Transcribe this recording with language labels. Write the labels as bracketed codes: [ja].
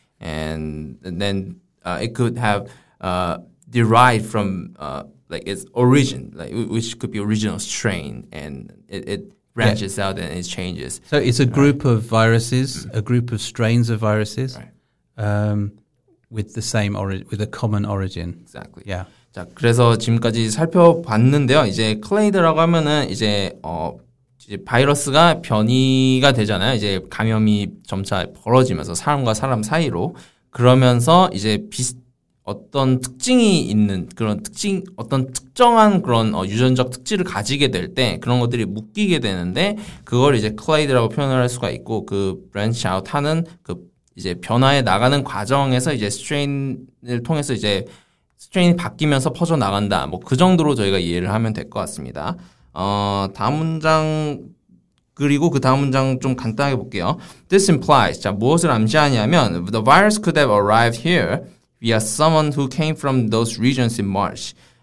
[en] And then it could have derived from like its origin, like which could be original strain, and it branches out and it changes. So it's a group of viruses, a group of strains of viruses. With the same origin, with a common origin. Exactly. Yeah. [ko] 자, 그래서 지금까지 살펴봤는데요. 이제 클레이드라고 하면은 이제 이제 바이러스가 변이가 되잖아요. 이제 감염이 점차 벌어지면서 사람과 사람 사이로 그러면서 이제 어떤 특징이 있는 그런 특징, 어떤 특정한 그런 유전적 특질을 가지게 될 때 그런 것들이 묶이게 되는데 그걸 이제 클레이드라고 표현을 할 수가 있고 그 브랜치 아웃 하는 그 이제 변화에 나가는 과정에서 이제 스트레인을 통해서 이제 스트레인이 바뀌면서 퍼져 나간다. 뭐 그 정도로 저희가 이해를 하면 될 것 같습니다. 다음 문장 그리고 그 다음 문장 좀 간단하게 볼게요. [en] This implies [ko] 자 무엇을 암시하냐면 [en] the virus could have arrived here via someone who came from those regions in March.